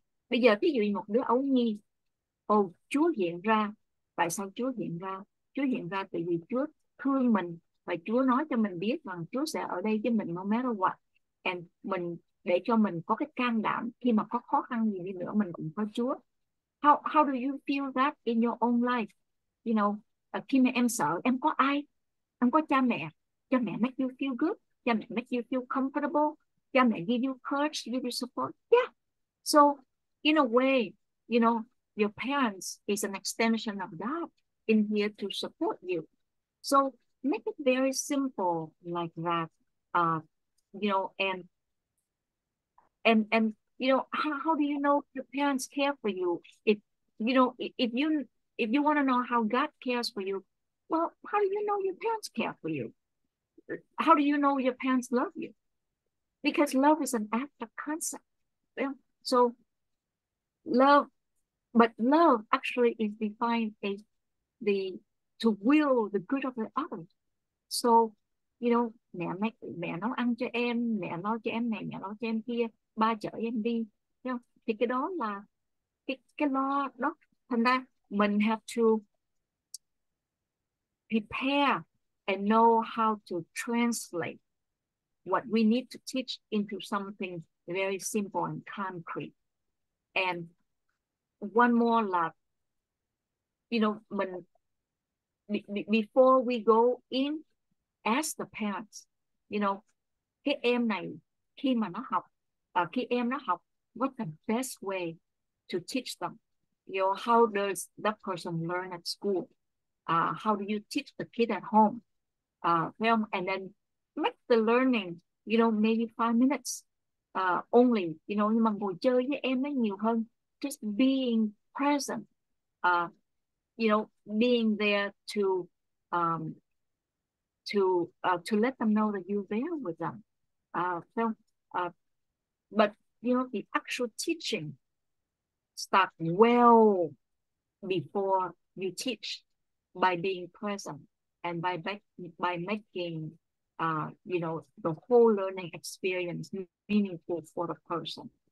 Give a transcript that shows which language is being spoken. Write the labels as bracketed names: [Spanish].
[Vietnamese] Bây giờ ví dụ như một đứa ấu nhi, oh, Chúa hiện ra. Tại sao Chúa hiện ra? Chúa hiện ra tại vì Chúa thương mình và Chúa nói cho mình biết rằng Chúa sẽ ở đây với mình [English] no matter what. [Vietnamese] And mình để cho mình có cái can đảm khi mà có khó khăn gì đi nữa mình cũng có Chúa. [English] How do you feel that in your own life? You know, [Vietnamese] khi mà em sợ, em có ai? Em có cha mẹ [English] make you feel good, cha mẹ make you feel comfortable, cha mẹ give you courage, give you support. Yeah. So, in a way, you know, your parents is an extension of God in here to support you. So make it very simple like that, you know, and you know, how do you know your parents care for you? If you know, if you want to know how God cares for you, well, how do you know your parents care for you? How do you know your parents love you? Because love is an abstract concept. Yeah? So love, but love actually is defined as the to will the good of the other. So, you know, [Vietnamese] mẹ nấu ăn cho em, mẹ lo cho em này, mẹ lo cho em kia, ba chở em đi. [English] You know? [Vietnamese] Thì cái đó là cái lo đó. Thành ra mình [English] have to prepare and know how to translate what we need to teach into something very simple and concrete. And one more love, you know, mình, before we go in as the parents, you know, [Vietnamese] cái em này khi mà nó học, khi em nó học, [English] what's the best way to teach them? You know, how does that person learn at school? How do you teach the kid at home? And then make the learning, you know, maybe 5 minutes only, you know, [Vietnamese] nhưng mà ngồi chơi với em ấy nhiều hơn. [English] Just being present, you know, being there to let them know that you're there with them. But you know, the actual teaching starts well before you teach by being present and by making you know, the whole learning experience meaningful for the person.